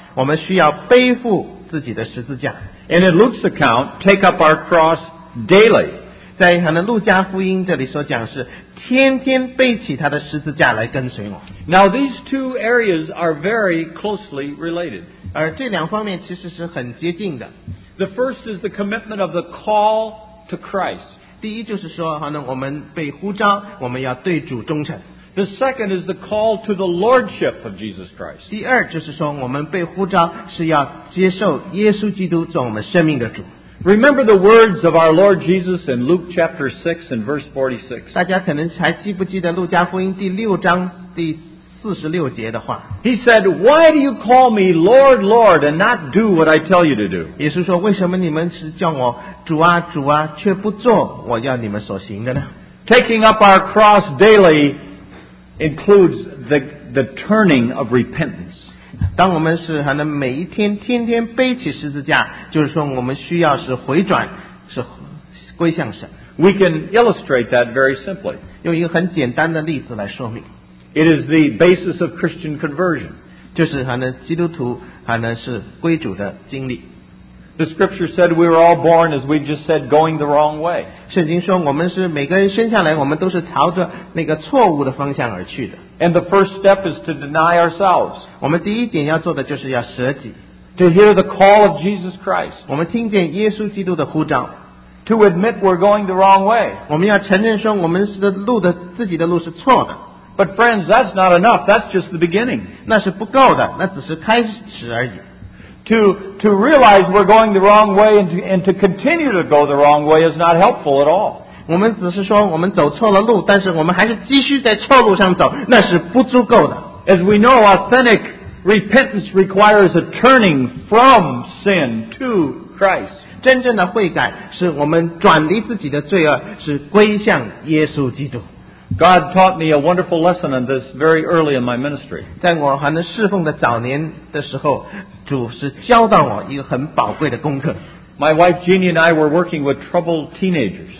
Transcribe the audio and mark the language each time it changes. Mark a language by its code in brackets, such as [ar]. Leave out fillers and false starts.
[zh] 我们需要背负自己的十字架。 [en] And in Luke's account, take up our cross daily. [zh] 在可能路加福音这里所讲是天天背起他的十字架来跟随我。 [en] Now these two areas are very closely related. [zh] 而这两方面其实是很接近的。 [en] The first is the commitment of the call to Christ. [zh] 第一就是说可能我们被呼召，我们要对主忠诚。 [en] The second is the call to the lordship of Jesus Christ. [zh] 第二就是说我们被呼召是要接受耶稣基督做我们生命的主。 [en] Remember the words of our Lord Jesus in Luke chapter 6 and verse 46. [zh] 大家可能还记不记得路加福音第六章第46节的话。 [en] He said, why do you call me Lord, Lord, and not do what I tell you to do? [zh] 耶稣说为什么你们是叫我主啊主啊却不做我要你们所行的呢？ [en] Taking up our cross daily includes the turning of repentance. [zh] 当我们是还能每一天天天背起十字架，就是说我们需要是回转，是归向神。 [en] We can illustrate that very simply. [zh] 用一个很简单的例子来说明。 [en] It is the basis of Christian conversion. [zh] 就是还能基督徒还能是归主的经历。 [en] The scripture said we were all born, as we just said, going the wrong way. [zh] 圣经说我们是每个人生下来我们都是朝着那个错误的方向而去的。 [en] And the first step is to deny ourselves. [zh] 我们第一点要做的就是要舍己。 [en] To hear the call of Jesus Christ. [zh] 我们听见耶稣基督的呼召。 [en] To admit we're going the wrong way. [zh] 我们要承认说我们的路的自己的路是错的。 [en] But friends, that's not enough. That's just the beginning. [zh] 那是不够的，那只是开始而已。 [en] To realize we're going the wrong way and to continue to go the wrong way is not helpful at all. [zh] 我们只是说我们走错了路，但是我们还是继续在错路上走，那是不足够的。 [en] As we know, authentic repentance requires a turning from sin to Christ. [zh] 真正的悔改是我们转离自己的罪恶，是归向耶稣基督。 [en] God taught me a wonderful lesson on this very early in my ministry. [zh] 在我还能侍奉的早年的时候，主是教导我一个很宝贵的功课。 [en] My wife Jeannie and I were working with troubled teenagers.